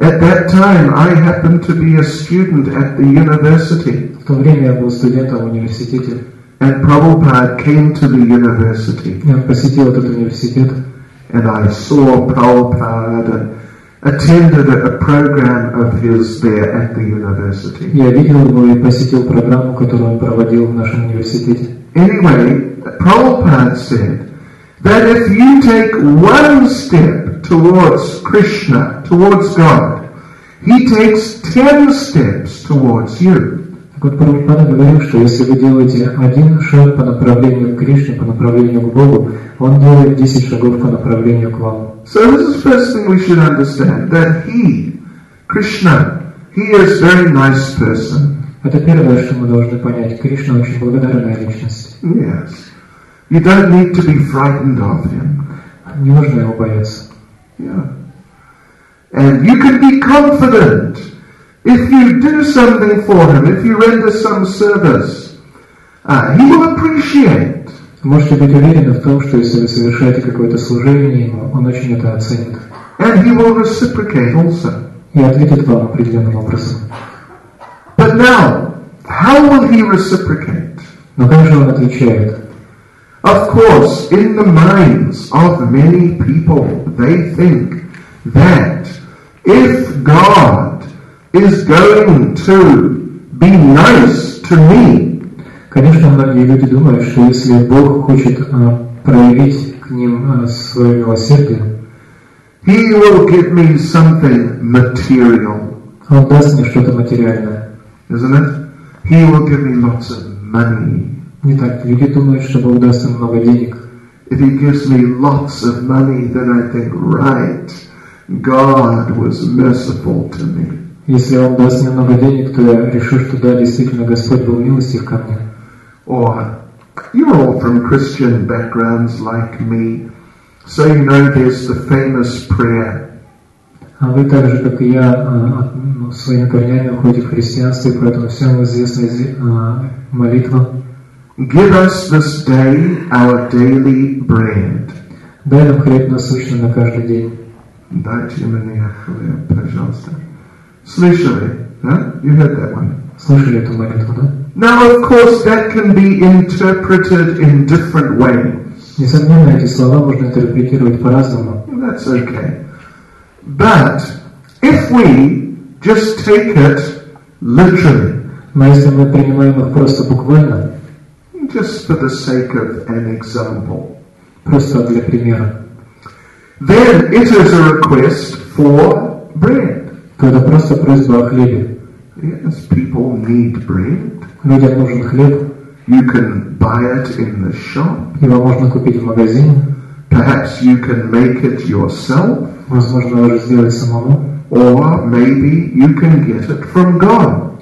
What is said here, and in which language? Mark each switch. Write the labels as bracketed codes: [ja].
[en] At that time, I happened to be a student at the university. [ru] В то время я был студентом в университете. [en] And Prabhupada came to the university. [ru] Я посетил этот университет. [en] And I saw Prabhupada attended a program of his there at the university. [ru] Я видел его и посетил программу, которую он проводил в нашем университете. [en] Anyway, Prabhupada said, that if you take one step towards Krishna, towards God, He takes 10 steps towards you. [ru] Так вот, Прабхупада говорил, что если вы делаете один шаг по направлению к Кришне, по направлению к Богу, Он делает 10 шагов по направлению к вам. [en] So this is the first thing we should understand, that He, Krishna, He is a very nice person. [ru] Это первое, что мы должны понять. Кришна очень благодарная личность. [en] Yes. You don't need to be frightened of Him. [ru] Не нужно его бояться. [en] Yeah. And you can be confident. If you do something for Him, if you render some service, He will appreciate. [ru] Можете быть уверены в том, что если вы совершаете какое-то служение Ему, Он очень это оценит. [en] And He will reciprocate also. [ru] И ответит вам определенным образом. [en] But now, how will He reciprocate? [ru] Но как же Он отвечает? [en] Of course, in the minds of many people, they think that if God is going to be nice to me. [ru] Конечно, многие люди думают, что если Бог хочет проявить к ним свое милосердие, [en] He will give me something material. [ru] Он даст мне что-то материальное. [en] Isn't it? He will give me lots of money. [ru] Не так. Люди думают, что Бог даст им много денег. [en] If He gives me lots of money, then I think, right, God was merciful to me. [ru] Если Он даст мне много денег, то я решу, что да, действительно, Господь был милостив ко мне. [en] Or, you're all from Christian backgrounds like me, so you know there's the famous prayer. [ru] А вы так же, как и я, своими корнями уходите в христианство, и поэтому всем известна молитва. [en] Give us this day our daily bread. [ru] Дай нам хлеб насущный на каждый день. Дайте мне хлеб, пожалуйста. Слышали, да? [en] You heard that one. [ru] Слышали эту молитву, да? [en] Now, of course, that can be interpreted in different ways. [ru] Несомненно, эти слова можно интерпретировать по-разному. [en] That's okay. But if we just take it literally, [ru] но если мы принимаем их просто буквально, [en] just for the sake of an example, [ru] просто для примера, [en] then it is a request for bread. [ru] Это просто просьба о хлебе. [en] Yes, people need bread. [ru] Людям нужен хлеб. [en] You can buy it in the shop. [ru] Его можно купить в магазине. [en] Perhaps you can make it yourself. [ru] Возможно, вы сделаете самому. [en] Or maybe you can get it from God.